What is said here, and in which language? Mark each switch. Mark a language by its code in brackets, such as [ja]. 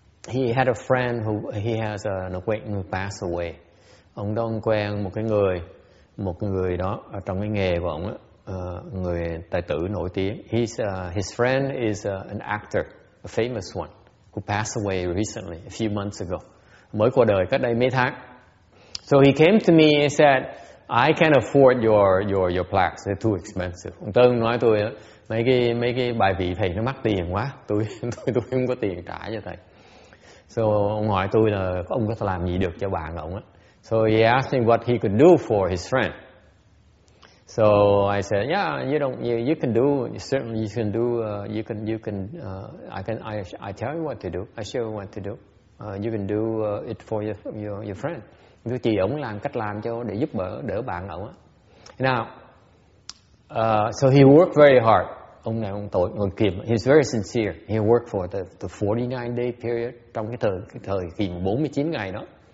[en] He had a friend who he has an acquaintance who passed away. [vi] Ông đang quen một người đó ở trong cái nghề của ông á, người tài tử nổi tiếng. [en] His friend is an actor, a famous one, who passed away recently, a few months ago. [vi] Mới qua đời cách đây mấy tháng. [en] So he came to me and said, I can't afford your plaques. They're too expensive. [vi] Ông Tân nói tôi mấy cái bài vị thầy nó mắc tiền quá. Tôi không có tiền trả cho thầy. [en] So [vi] ông hỏi tôi là ông có thể làm gì được cho bạn ông á. [en] So he asked me what he could do for his friend. So I said, yeah, I tell you what to do. I show you what to do. You can do it for your friend. [vi] Tôi chỉ ông làm cách làm cho để giúp đỡ bạn ông á. [en] Now, so he worked very hard. [vi] Ông này ông tội, ông kiềm. [en] He's very sincere. He worked for the 49 day period, [vi] trong cái thời kỳ 49 ngày đó.